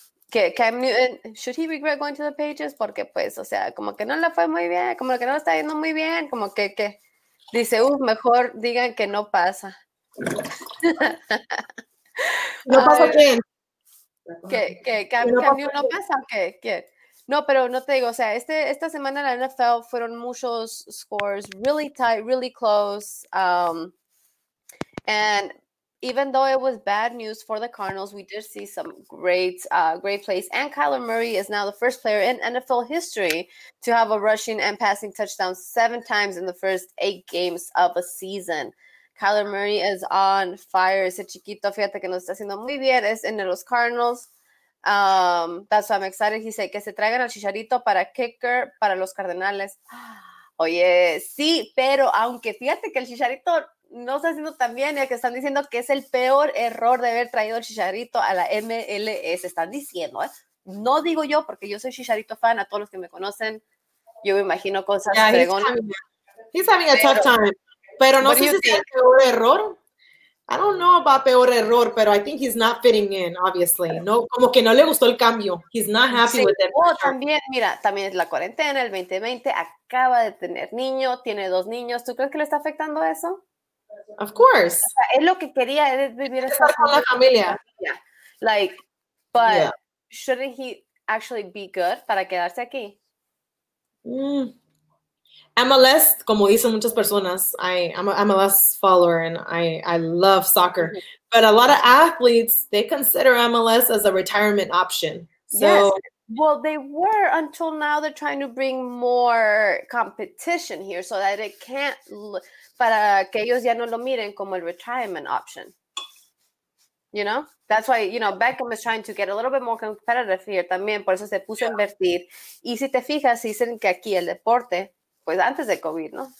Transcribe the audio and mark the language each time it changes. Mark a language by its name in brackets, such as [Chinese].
[Spanish] Que [English] Cam Newton, should he regret going to the Pages? [Spanish] Porque, pues, o sea, como que no le fue muy bien, como que no le está yendo muy bien, como que. Dice, mejor digan que no pasa. ¿No pasa quién? Que Cam Newton no pasa, ¿qué? No, pero no te digo, o sea, esta semana en la NFL fueron muchos scores, [English] really tight, really close, and even though it was bad news for the Cardinals, we did see some great, great plays. And Kyler Murray is now the first player in NFL history to have a rushing and passing touchdown 7 times in the first 8 games of a season. Kyler Murray is on fire. [Spanish] Ese chiquito, fíjate que nos está haciendo muy bien. Es en los Cardinals. [English] That's why I'm excited. He said, [Spanish] que se traigan al Chicharito para kicker para los Cardenales. Oye, sí, pero aunque fíjate que el Chicharito no está haciendo tan bien, ya que están diciendo que es el peor error de haber traído el Chicharito a la MLS. Están diciendo, no digo yo, porque yo soy Chicharito fan, a todos los que me conocen, yo me imagino cosas. [English] Yeah, he's having a tough time. [Spanish] Pero no sé si es el peor error. [English] I don't know about [Spanish] peor error, pero [English] I think he's not fitting in, obviously. [Spanish] No, como que no le gustó el cambio. [English] He's not happy with it. [Spanish] Oh, también, mira, también es la cuarentena, el 2020, acaba de tener niño, tiene 2 niños. ¿Tú crees que le está afectando eso? [English] Of course. [Spanish] O sea, es lo que quería, es vivir esa con la familia. [English] Like, but yeah. Shouldn't he actually be good [Spanish] para quedarse aquí? [English] Mm. MLS, [Spanish] como dicen muchas personas, [English] I'm an MLS follower and I love soccer. Mm-hmm. But a lot of athletes, they consider MLS as a retirement option. So, yes. Well, they were until now. They're trying to bring more competition here so that it can't, [Spanish] para que ellos ya no lo miren como a [English] retirement option. You know, that's why, you know, Beckham is trying to get a little bit more competitive here [Spanish] también. Por eso se puso a invertir. Y si te fijas, dicen que aquí el deporte, pues antes de COVID, ¿no?